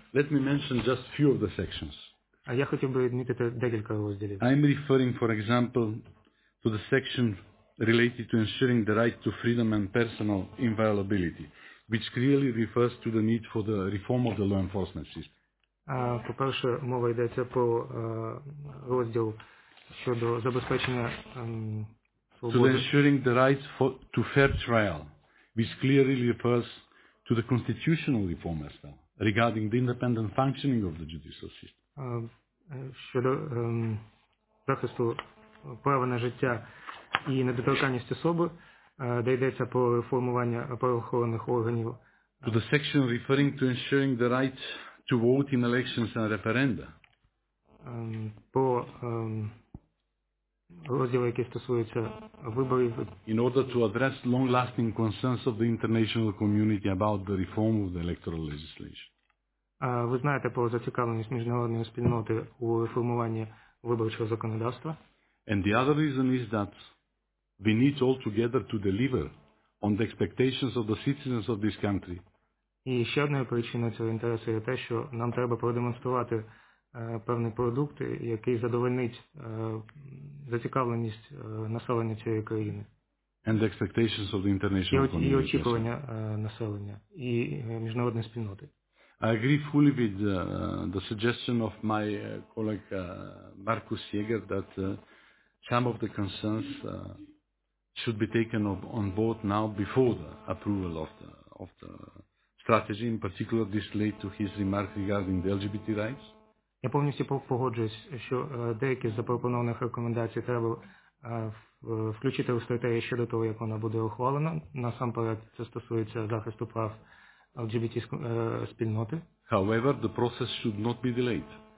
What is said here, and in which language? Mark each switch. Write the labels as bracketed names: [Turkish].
[English] Let me mention just few of the sections. [Ukrainian] Я хотів би відмітити декілька розділів. [English] I'm referring, for example, to the section related to ensuring the right to freedom and personal inviolability, which clearly refers to the need for the reform of the law enforcement system. [Ukrainian] По-перше, мова йдеться про розділ щодо забезпечення свободи. [English] To ensuring the right to fair trial, which clearly refers to the constitutional reform as well, regarding the independent functioning of the judicial system. [Ukrainian] Щодо захисту права на життя і недоторканність особи, де йдеться про реформування правоохоронних органів. [English] To the section referring to ensuring the right to vote in elections and referenda. [Ukrainian] Розділи, які стосуються виборів. [English] In order to address long-lasting concerns of the international community about the reform of the electoral legislation. [Ukrainian] Ви знаєте про зацікавленість міжнародної спільноти у реформуванні виборчого законодавства. [English] And the other reason is that we need all together to deliver on the expectations of the citizens of this country. [Ukrainian] І ще одною причиною цього інтересу є те, що нам треба продемонструвати певний продукт, який задовольнить зацікавленість населення цієї країни. [English] And the expectations of the international community. [Ukrainian] І очікування населення і міжнародної спільноти. [English] I agree fully with the suggestion of my colleague Markus Jäger that some of the concerns should be taken on board now before the approval of the strategy, in particular this led to his remark regarding the LGBT rights. [Ukrainian] Я повністю погоджуюсь, що деякі з запропонованих рекомендацій треба включити у стратегію ще до того, як вона буде ухвалена. Насамперед, це стосується захисту прав LGBT спільноти. [English] However, the process should not be delayed.